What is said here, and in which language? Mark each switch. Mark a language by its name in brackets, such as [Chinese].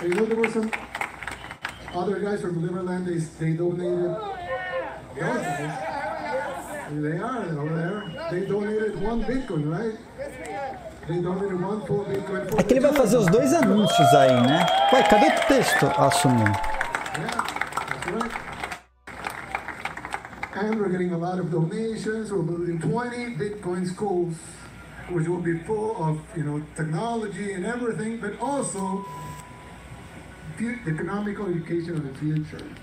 [English] And you know, there were some other guys from Liberland, they donated. Yes. They are over there. They donated one Bitcoin, right? They donated one full Bitcoin. [Portuguese] É que ele vai fazer os dois anúncios aí, né? Ué, cadê o texto? Assumiu. [English] Yeah, and we're getting a lot of donations. We're building 20 Bitcoin schools, which will be full of, you know, technology and everything, but also economical education of the future.